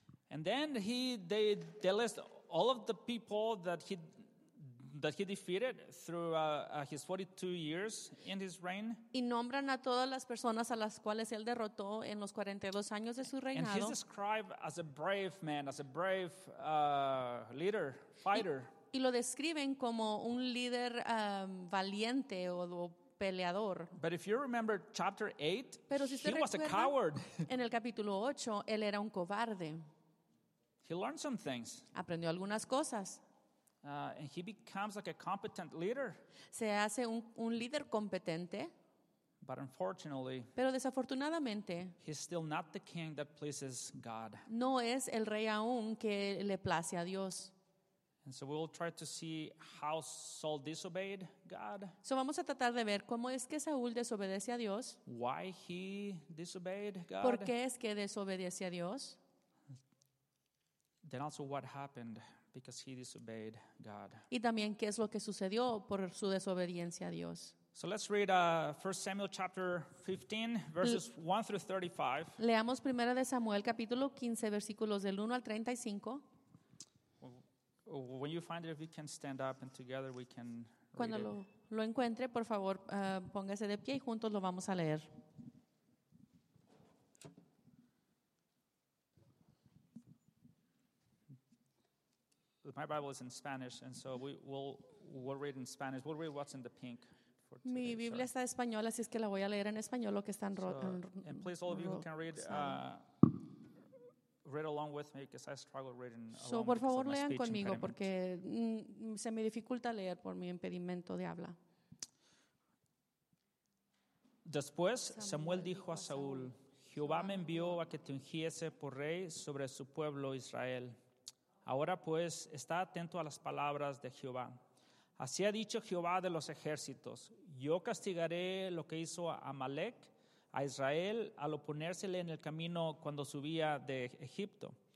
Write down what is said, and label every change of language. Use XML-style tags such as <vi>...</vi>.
<en>And then they list all of the people that he defeated through his 42 years in his reign.</en> <es>Y nombran a todas las personas a las cuales él derrotó en los 42 años de su reinado.</es> <en>And he's described as a brave man, as a brave leader, fighter.</en> <es>Y lo describen como un líder valiente o peleador.</es> <en>But if you remember chapter 8,</en> <es>pero si</es> <en>he was a coward.</en> <es>En el capítulo 8, él era un cobarde.</es> <en>He learned some things.</en> <es>Aprendió algunas cosas.</es> <en>And he becomes like a competent leader.</en> <es>Se hace un líder competente.</es> <en>But unfortunately,</en> <es>pero desafortunadamente,</es> <en>he's still not the king that pleases God.</en> <es>No es el rey aún que le place a Dios.</es> <en>And so we'll try to see how Saul disobeyed God.</en> <es>So vamos a tratar de ver cómo es que Saúl desobedece a Dios.</es> <en>Why he disobeyed God.</en> <es>¿Por qué es que desobedece a Dios?</es> <en>Then also what happened because he disobeyed God.</en> <es>Y también qué es lo que sucedió por su desobediencia a Dios.</es> <en>So let's read 1 Samuel chapter 15 verses 1 through 35.</en> <es>Leamos 1 de Samuel capítulo 15 versículos del 1 al 35.</es> <en>When you find it, if you can stand up and together we can</en> <es>Cuando lo encuentre, por favor, póngase de pie y juntos lo vamos a leer.</es> <en>My Bible is in Spanish, and so we'll read in Spanish. We'll read what's in the pink.</en> <es>Mi Biblia está en español, así es que la voy a leer en español lo que está en rojo.</es> <en>And please, all of you who can read, read along with me, because I struggle reading along.</en> <es>So, por favor, lean conmigo, porque se me dificulta leer por mi impedimento de habla. Después, Samuel dijo a Saúl, Jehová me envió a que te ungiese por rey sobre su pueblo Israel. Ahora, pues, está atento a las palabras de Jehová. Así ha dicho Jehová de los ejércitos, yo castigaré lo que hizo Amalec a Israel al oponérsele en el camino cuando subía de Egipto.</es>